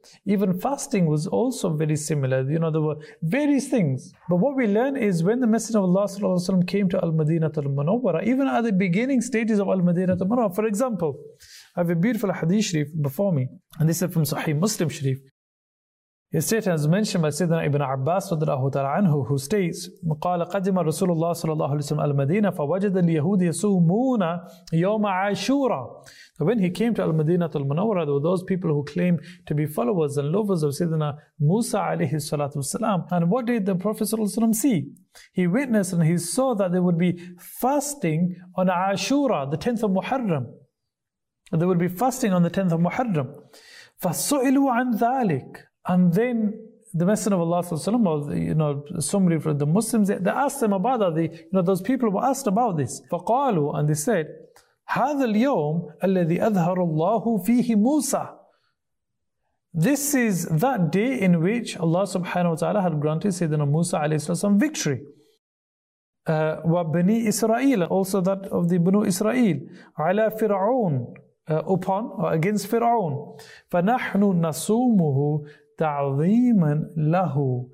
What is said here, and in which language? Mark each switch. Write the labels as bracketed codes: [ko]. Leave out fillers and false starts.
[en] Even fasting was also very similar. You know, there were various things. But what we learn is when the Messenger of Allah sallallahu alaihi wasallam came to Al-Madinah al-Munawwara, even at the beginning stages of Al-Madinah al-Munawwara, for example, I have a beautiful hadith sharif before me, and this is from Sahih Muslim sharif. It states, as mentioned by Sayyidina Ibn Abbas radiallahu ta'ala anhu, who states, [ar] قَالَ قَدِمَ رَسُولُ اللَّهِ صَلَى اللَّهُ عَلَيْهِ وَسَلَّمَ الْمَدِينَةَ فَوَجَدَ الْيَهُودِ يَسُومُونَ يَوْمَ عَاشُورَ. [en] When he came to Al-Madinah Al-Munawwara, there were those people who claimed to be followers and lovers of Sayyidina Musa alayhi salatu wasalam. And what did the Prophet sallallahu alayhi wa sallam see? He witnessed and he saw that they would be fasting on Ashura, the 10th of Muharram. They would be fasting on the 10th of Muharram. [ar] فَسُئِلُوا عَنْ ذَلِكَ. [en] And then the Messenger of Allah sallallahu alaihi wasallam, you know, somebody from the Muslims, they asked them about that. Those people were asked about this. [ar] فَقَالُوا, [en] and they said, [ar] هَذَا الْيَوْمُ الَّذِي أَذْهَرُ اللَّهُ فِيهِ مُوسَى. [en] This is that day in which Allah subhanahu wa ta'ala had granted Sayyidina Musa alayhi salatu wasalam victory. [ar] وَبَنِي إِسْرَائِيلَ, [en] also that of the Banu Israel, [ar] عَلَى فِرْعُونَ, [en] upon or against Fir'aun. [ar] فَنَحْنُ نَصُومُهُ تَعْظِيمًا لَهُ.